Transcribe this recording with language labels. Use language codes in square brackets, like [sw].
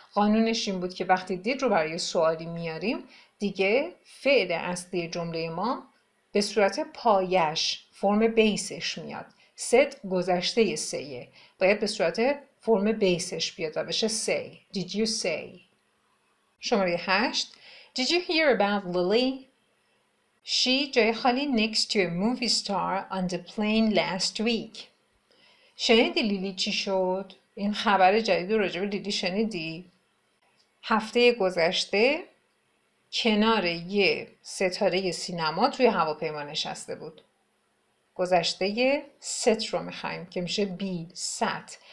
[fa] قانونش این بود که وقتی did رو برای سوالی میاریم دیگه فعل اصلی جمله ما به صورت پایش فرم بیسش میاد. said گذشته سیه. باید به صورت فرم بیسش بیاد و بشه say. [en] Did you say؟ [fa] شماره 8. [en] Did you hear about Lily؟ She [fa] جای خالی [en] next to a movie star on the plane last week. [fa] شنیدی لیلی چی شد؟ این خبر جدید راجع به لیلی شنیدی؟ هفته گذشته کنار یه ستاره سینما توی هواپیما نشسته بود. گذشته ست رو میخواییم که میشه بی سات.